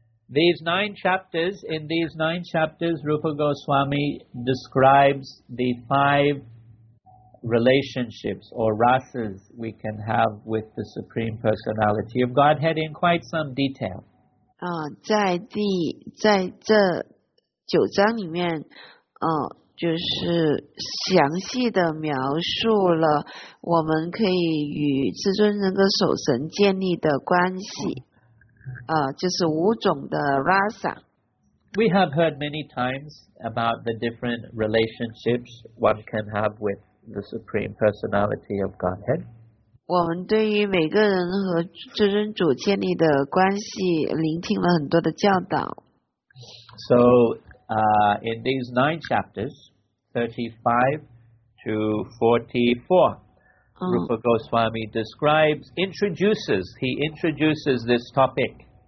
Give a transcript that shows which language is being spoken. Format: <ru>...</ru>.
<en>These nine chapters, in these nine chapters, Rupa Goswami describes the five relationships or rasas we can have with the Supreme Personality of Godhead in quite some detail.</en> <zh>在这九章里面，就是详细的描述了我们可以与至尊人格守神建立的关系。就是五种的 rasa。</zh> <en>We have heard many times about the different relationships one can have with the Supreme Personality of Godhead.</en> <zh>我们对于每个人和至尊主建立的关系聆听了很多的教导。</zh> <en>So, in these nine chapters, 35 to 44, Rupa Goswami describes, introduces this topic.</en>